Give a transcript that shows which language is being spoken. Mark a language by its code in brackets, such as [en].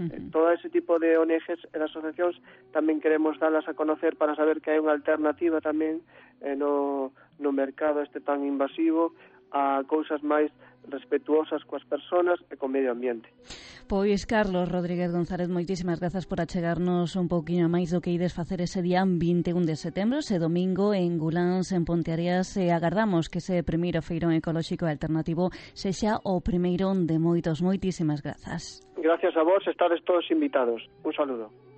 [es] Todo ese tipo de ONGs y asociaciones también queremos darlas a conocer para saber que hay una alternativa también no mercado este tan invasivo a cosas más respetuosas [gl] coas personas e con medio ambiente. Pois, Carlos Rodríguez González, moitísimas grazas por achegarnos un poquinho máis do que ides facer ese día 21 de setembro, ese domingo en Gulans, en Ponteareas, e agardamos que ese primeiro feirón ecolóxico alternativo sexa o primeiro de moitos. Moitísimas grazas. [es] Gracias a vos, [gl] estades todos invitados. [es] Un saludo.